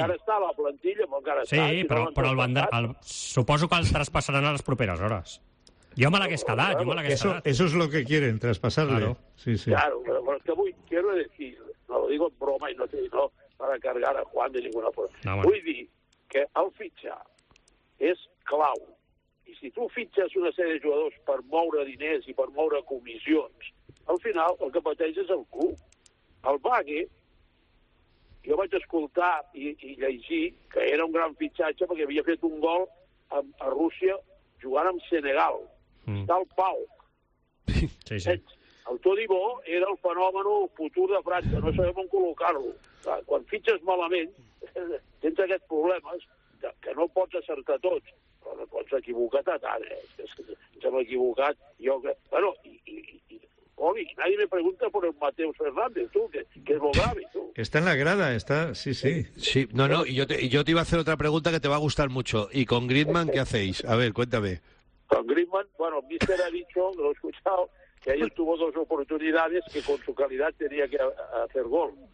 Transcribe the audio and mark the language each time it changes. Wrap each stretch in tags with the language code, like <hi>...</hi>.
<ca>Encara està a la plantilla, encara està. Sí, però el bandar, suposo que els traspassaran a les properes hores. Jo Malaga escalat,</ca> <es>Eso es lo que quieren, traspasarle. Claro, sí, sí. Claro, pero que vull, quiero decir, no lo digo en broma y no para cargar a Juan de ninguna forma. No, bueno.</es> <ca>Vull dir que el fitxar és clau. I si tu fitxes una sèrie de jugadors per moure diners i per moure comissions, al final el que pateix és el club. El Bagué, jo vaig escoltar i llegir que era un gran fitxatge perquè havia fet un gol a Rússia jugant amb Senegal. Està al Pau. Sí, sí. El Todibó era el fenomen futur de França, no sabem on col·locar-lo. Quan fitxes malament, tens aquests problemes que no pots acertar tots. No pots equivocar tant, ens hem equivocat. Jo, bueno, i</ca> <es>nadie me pregunta por el Mateo Fernández, tú, que es lo grave, tú. Está en la grada, está, sí, sí. Sí, no, yo te iba a hacer otra pregunta que te va a gustar mucho. ¿Y con Griezmann qué hacéis? A ver, cuéntame. Con Griezmann, bueno, Mister ha dicho, lo he escuchado, que ayer tuvo dos oportunidades que con su calidad tenía que hacer gol.</es>